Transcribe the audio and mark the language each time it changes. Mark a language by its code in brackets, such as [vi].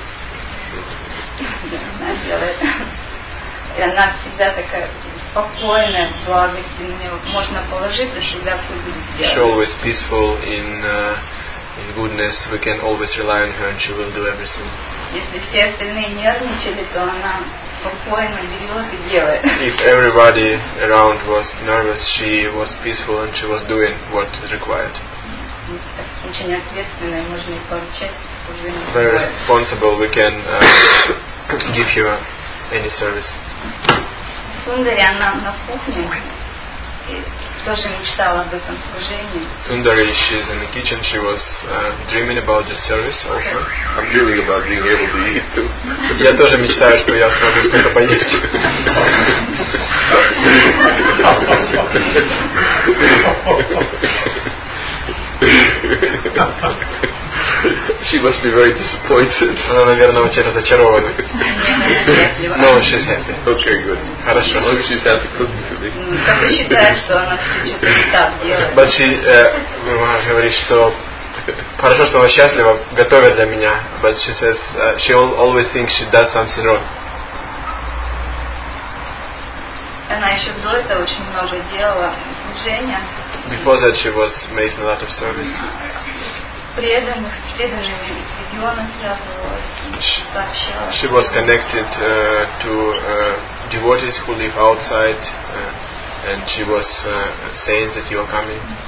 [ru] Она делает. И она всегда такая спокойная, благость, на нее можно положиться, всегда все будет делать. [en] She always peaceful in goodness, we can always rely on her and she will do everything. [ru] Если все остальные нервничали, то она спокойно берет и делает. [en] If everybody around was nervous, she was peaceful and she was doing what is required. [ru] Очень ответственная, можно и поручать. [en] Very responsible, we can give you any service. [ru] Сундари, она на кухне тоже мечтала об этом служении. [en] Сундари, she's in the kitchen, she was dreaming about this service also. I'm dreaming about being able to eat too. [ru] Я тоже мечтаю, что я смогу что-то поесть. [en] She must be very disappointed. [ru] Она, наверное, очень разочарована. [en] No, she's happy. Okay, good. [ru] Хорошо. [en] Well, she's happy cooking for me. [ru] Как ты считаешь, что она все так делает? [en] But she [ru] говорит, что хорошо, что она счастлива, готовит для меня. [en] But she says, she always thinks she does something wrong. [ru] Она еще до этого очень много делала служения. [en] Before that, she was making a lot of service. She was connected to devotees who live outside, and she was saying that you are coming.